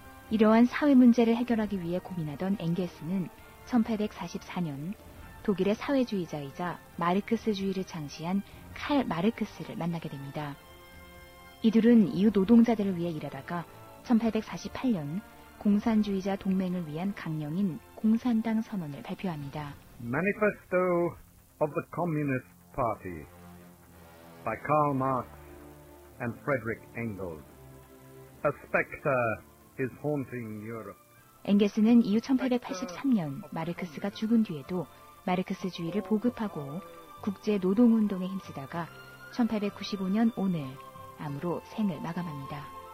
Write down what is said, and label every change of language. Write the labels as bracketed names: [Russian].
[Korean] 이러한 사회 문제를 해결하기 위해 고민하던 엥겔스는 1844년 독일의 사회주의자이자 마르크스주의를 창시한 칼 마르크스를 만나게 됩니다. 이들은 이후 노동자들을 위해 일하다가 1848년 공산주의자 동맹을 위한 강령인 공산당 선언을 발표합니다. [English] Manifesto of the Communist Party by Karl Marx and Friedrich Engels. A specter is haunting Europe. [Korean] 엥겔스는 이후 1883년 마르크스가 죽은 뒤에도 마르크스주의를 보급하고 국제 노동운동에 힘쓰다가 1895년 오늘 암으로 생을 마감합니다.